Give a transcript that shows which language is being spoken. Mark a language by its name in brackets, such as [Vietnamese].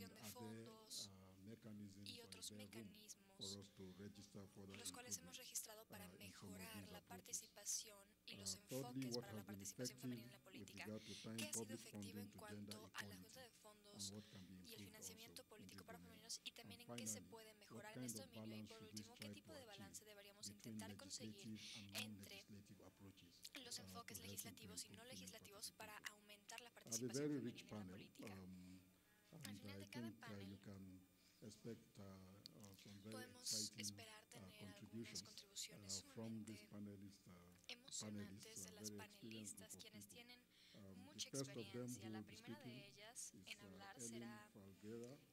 [English] And are there mechanisms or is there room for us to register for the improvements in some of these approaches? Thirdly, what has been effective with regard to tying public funding to gender equality and what can be improved also? [Spanish] Y también en qué se puede mejorar en esto dominio y por último, qué tipo de balance deberíamos intentar conseguir entre los enfoques legislativos y no legislativos para aumentar la participación femenina en la política. Al final de cada panel, [English] expect some very exciting contributions from these panelists, very experienced. The first of them who will be speaking is Elin Falguera,